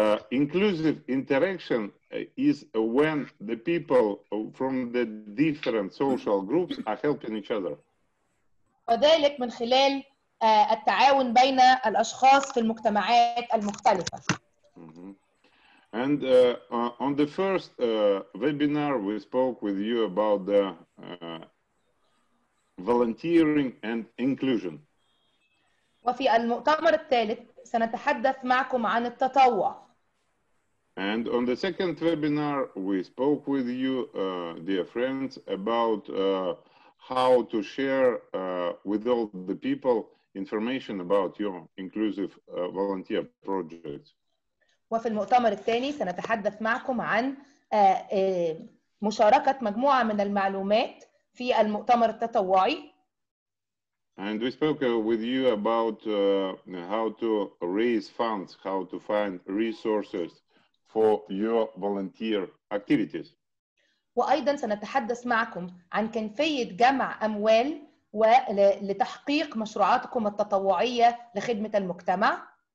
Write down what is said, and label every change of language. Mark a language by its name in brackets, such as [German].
[English] Inclusive interaction is when the people from the different social groups are helping each other. [Arabic] وذلك من خلال التعاون بين الأشخاص في المجتمعات المختلفة. [English] And on the first webinar, we spoke with you about the volunteering and inclusion. [Arabic] وفي المؤتمر الثالث سنتحدث معكم عن التطوع. [English] And on the second webinar, we spoke with you, dear friends, about how to share with all the people information about your inclusive volunteer project. [Arabic] وفي المؤتمر الثاني سنتحدث معكم عن مشاركة مجموعة من المعلومات في المؤتمر التطوعي. [English] And we spoke with you about how to raise funds, how to find resources for your volunteer activities. [Arabic] وأيضا سنتحدث معكم عن كيفية جمع أموال ولتحقيق مشروعاتكم التطوعية لخدمة المجتمع.